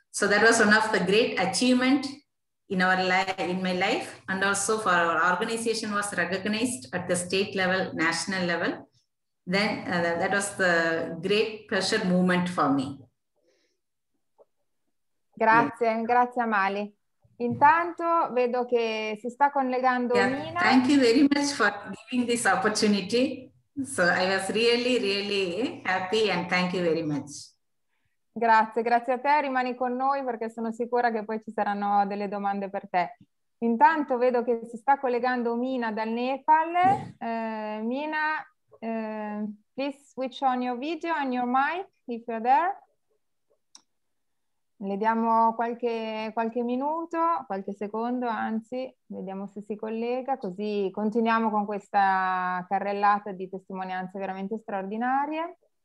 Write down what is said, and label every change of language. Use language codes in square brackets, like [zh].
[en] So that was one of the great achievement in our life, in my life, and also for our organization was recognized at the state level, national level. Then that was the great pleasure moment for me. [it] Grazie, yeah. Grazie Amali. Intanto vedo che si sta collegando, yeah. Nina. [en] Thank you very much for giving this opportunity. So I was really, really happy, and thank you very much. [it] Grazie, grazie a te. Rimani con noi perché sono sicura che poi ci saranno delle domande per te. Intanto vedo che si sta collegando Mina dal Nepal. [en] Mina, please switch on your video and your mic if you're there. [it] Le diamo qualche minuto, qualche secondo, anzi, vediamo se si collega, così continuiamo con questa carrellata di testimonianze veramente straordinarie.